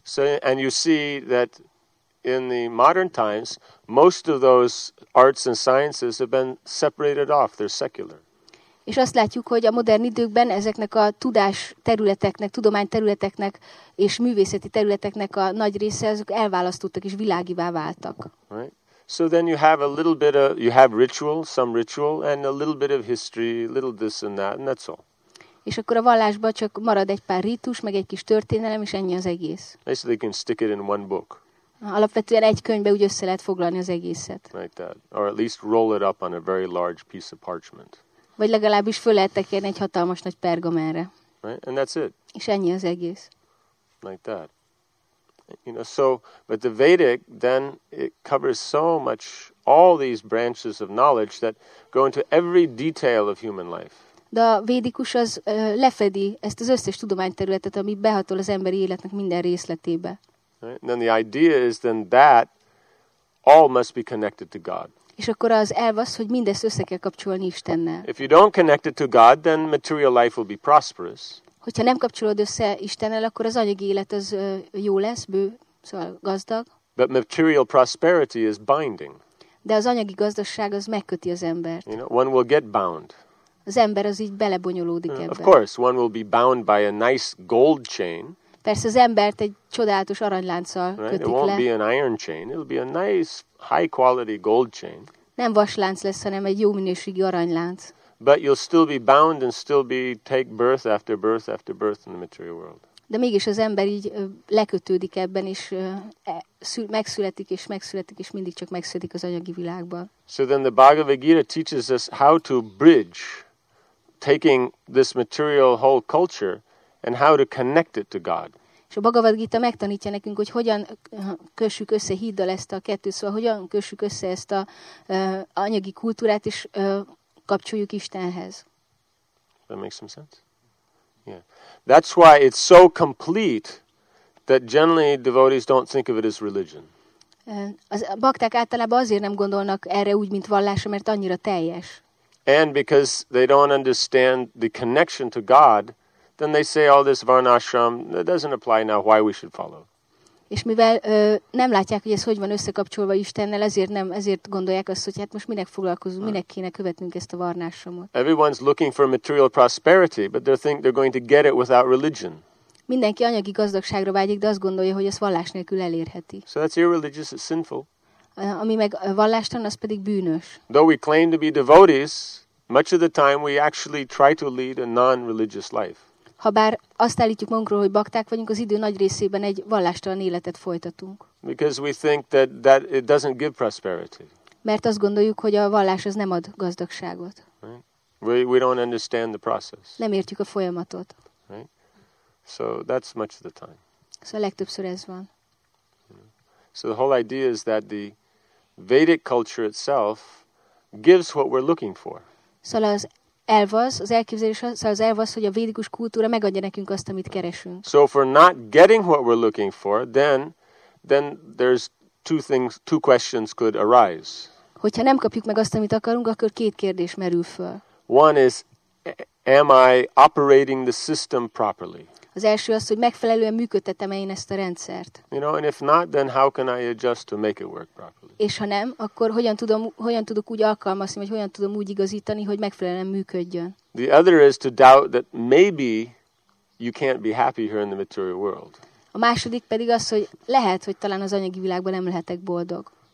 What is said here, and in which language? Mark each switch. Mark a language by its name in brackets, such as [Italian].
[English] So, and you see that in the modern times, most of those arts and sciences have been separated off. They're secular. [Hungarian] És azt látjuk, hogy a modern időkben ezeknek a tudás területeknek, tudomány területeknek és művészeti területeknek a nagy része azok elválasztottak és világivá váltak. [English] Right. So then you have a little bit of, you have ritual, some ritual, and a little bit of history, little this and that, and that's all. [Hungarian] És akkor a vallásban csak marad egy pár rítus, meg egy kis történelem, és ennyi az egész. [English] Basically you can stick it in one book. [Hungarian] Alapvetően egy könyvbe úgy össze lehet foglalni az egészet. [English] Like that. Or at least roll it up on a very large piece of parchment. [Hungarian] Vagy legalábbis föl lehet tekerni egy hatalmas nagy pergamenre. [English] Right? And that's it. [Hungarian] És ennyi az egész. [English] Like that. You know, so, but the Vedic, then, it covers so much, all these branches of knowledge that go into every detail of human life. [Hungarian] De a védikus az lefedi ezt az összes tudományterületet, ami behatol az emberi életnek minden részletébe. [English] Right? And then the idea is then that all must be connected to God. [Hungarian] És akkor az elv az, hogy mindezt össze kell kapcsolni Istennel. [English] If you don't connect it to God, then material life will be prosperous. [Hungarian] Hogyha nem kapcsolod össze Istennel, akkor az anyagi élet az jó lesz, bő, szóval gazdag. [English] But material prosperity is binding. [Hungarian] De az anyagi gazdagság az megköti az embert. [English] You know, one will get bound. [Hungarian] Az ember az így belebonyolódik ebbe. [English] Of course, one will be bound by a nice gold chain. [Hungarian] Persze az embert egy csodálatos aranylánccal kötik le. [English] It won't be an iron chain, it'll be a nice high quality gold chain. [Hungarian] Nem vaslánc lesz, hanem egy jó minőségi aranylánc. [English] But you'll still be bound and still be take birth after birth after birth in the material world. [Hungarian] De mégis az ember így lekötődik ebben is, megszületik és mindig csak megszületik az anyagi világban. [English] So then the Bhagavad Gita teaches us how to bridge taking this material whole culture and how to connect it to God. [Hungarian] És a Bhagavad Gita megtanítja nekünk, hogy hogyan kössük össze híddal ezt a kettőt, szóval hogyan kössük össze ezt a anyagi kultúrát és kapcsoljuk Istenhez. [English] That makes some sense? Yeah. That's why it's so complete that generally devotees don't think of it as religion. [Hungarian] A bakták általában azért nem gondolnak erre úgy, mint vallásra, mert annyira teljes. [English] And because they don't understand the connection to God, then they say all this varnashram, that doesn't apply now, why we should follow. [Hungarian] És mivel nem látják, hogy ez hogy van összekapcsolva Istennel, ezért gondolják azt, hogy hát most minek foglalkozunk, minek kéne követnünk ezt a varnásomot. [English] Everyone's looking for material prosperity, but they think they're going to get it without religion. [Hungarian] Mindenki anyagi gazdagságra vágyik, de azt gondolja, hogy ezt vallás nélkül elérheti. [English] So that's irreligious, it's sinful. [Hungarian] Ami meg vallástalan, az pedig bűnös. [English] Though we claim to be devotees, much of the time we actually try to lead a non-religious life. [Hungarian] Habár azt állítjuk magunkról, hogy bakták vagyunk, az idő nagy részében egy vallástalan életet folytatunk. [English] Because we think that it doesn't give prosperity. [Hungarian] Mert azt gondoljuk, hogy a vallás az nem ad gazdagságot. [English] Right? We don't understand the process. [Hungarian] Nem értjük a folyamatot. [English] Right? So that's much of the time. [Hungarian] Szóval legtöbbször ez van. [English] So the whole idea is that the Vedic culture itself gives what we're looking for. [Hungarian] Szóval az elv az, az elképzelés az, szóval az elv az, hogy a védikus kultúra megadja nekünk azt, amit keresünk. [English] So if we're not getting what we're looking for, then there's two questions could arise. [Hungarian] Hogyha nem kapjuk meg azt, amit akarunk, akkor két kérdés merül föl. [English] One is, am I operating the system properly? [Hungarian] Az első az, hogy megfelelően működtetem-e én ezt a rendszert. [English] You know, and if not, then how can I adjust to make it work properly? [Hungarian] És ha nem, akkor hogyan tudok úgy alkalmazni, vagy hogyan tudom úgy igazítani, hogy megfelelően működjön. [English] The other is to doubt that maybe you can't be happy here in the material world. [Hungarian] A második pedig az, hogy lehet, hogy talán az anyagi világban nem lehetek boldog.